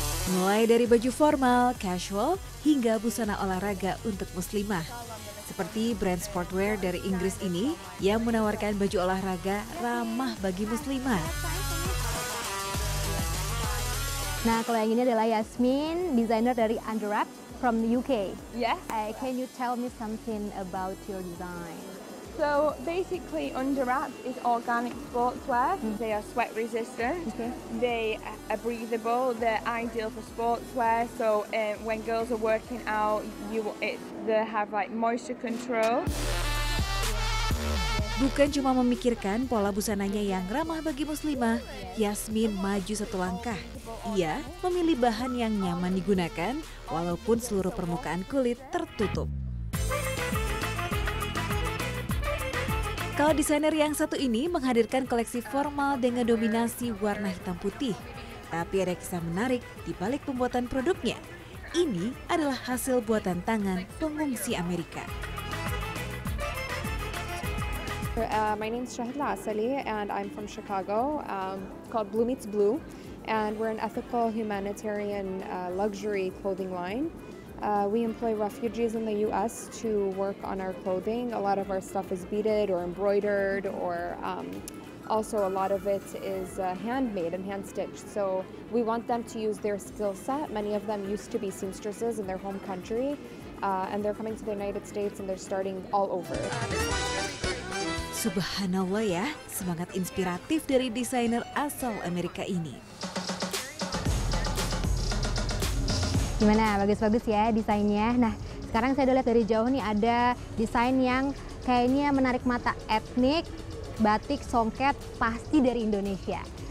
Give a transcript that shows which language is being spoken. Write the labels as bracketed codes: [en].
[id] Mulai dari baju formal, casual, hingga busana olahraga untuk muslimah. Seperti brand sportswear dari Inggris ini yang menawarkan baju olahraga ramah bagi muslimah. Nah, kalau yang ini adalah Yasmin, desainer dari Underwrap [en] from the UK. Yes. Can you tell me something about your design? So, basically Underwrap is organic sportswear. Mm-hmm. They are sweat resistant. Okay. They are breathable. They're ideal for sportswear. So, when girls are working out, they have like moisture control. [id] Bukan cuma memikirkan pola busananya yang ramah bagi muslimah, Yasmin maju satu langkah. Ia memilih bahan yang nyaman digunakan walaupun seluruh permukaan kulit tertutup. Kalau desainer yang satu ini menghadirkan koleksi formal dengan dominasi warna hitam putih. Tapi ada kisah menarik di balik pembuatan produknya. Ini adalah hasil buatan tangan pengungsi Amerika. My name is Shahidla Asali and I'm from Chicago, called Blue Meets Blue. And we're an ethical, humanitarian, luxury clothing line. We employ refugees in the U.S. to work on our clothing. A lot of our stuff is beaded or embroidered, or also a lot of it is handmade and hand-stitched. So we want them to use their skill set. Many of them used to be seamstresses in their home country, and they're coming to the United States and they're starting all over. Subhanallah ya, semangat inspiratif dari desainer asal Amerika ini. Gimana? Bagus-bagus ya desainnya. Nah, sekarang saya udah lihat dari jauh nih ada desain yang kayaknya menarik mata, etnik, batik, songket, pasti dari Indonesia.